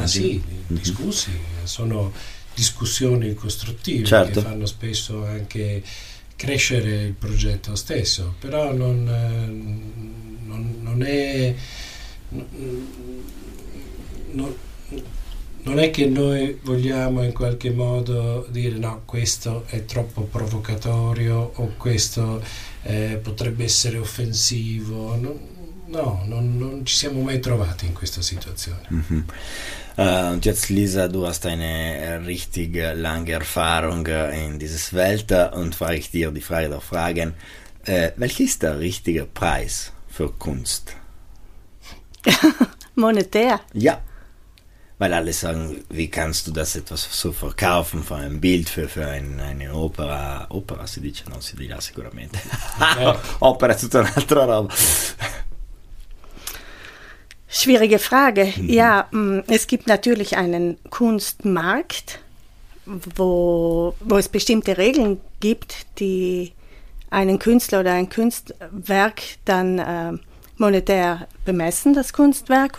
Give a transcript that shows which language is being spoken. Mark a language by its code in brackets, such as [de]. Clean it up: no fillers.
[it] Ma sì, discussi, sono discussioni costruttive, certo, che fanno spesso anche crescere il progetto stesso, però non è che noi vogliamo in qualche modo dire no, questo è troppo provocatorio o questo potrebbe essere offensivo. Non ci siamo mai trovati in questa situazione. [de] Und jetzt, Lisa, du hast eine richtig lange Erfahrung in dieser Welt und frage ich dir die Frage der Fragen. Welches ist der richtige Preis für Kunst? Monetär? Ja, weil alle sagen, wie kannst du das etwas so verkaufen für ein Bild, für eine Opera? [it] Opera si dice, non si dirà sicuramente. Okay. Opera ist tutta un'altra roba. [de] Schwierige Frage. Ja, es gibt natürlich einen Kunstmarkt, wo es bestimmte Regeln gibt, die einen Künstler oder ein Kunstwerk dann monetär bemessen, das Kunstwerk.